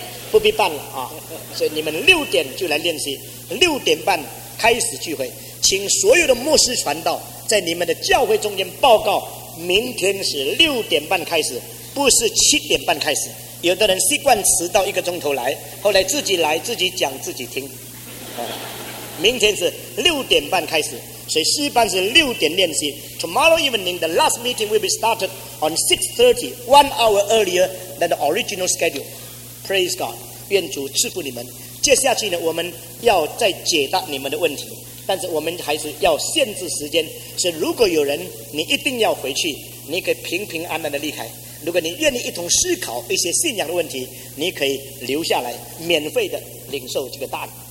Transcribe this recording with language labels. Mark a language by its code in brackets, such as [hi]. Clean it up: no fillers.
[zh] 不必办了啊，所以你们6:00就来练习，6:30开始聚会，请所有的牧师传道在你们的教会中间报告，明天是6:30开始，不是7:30开始。有的人习惯迟到一个钟头来，后来自己来自己讲自己听。明天是6:30开始，所以诗班是6:00练习。 [en] Tomorrow evening, the last meeting will be started on 6:30, 1 hour earlier than the original schedule. Praise God, [zh] 愿主赐福你们。接下去呢，我们要再解答你们的问题，但是我们还是要限制时间。所以如果有人你一定要回去，你可以平平安安的离开。如果你愿意一同思考一些信仰的问题，你可以留下来，免费的领受这个答案。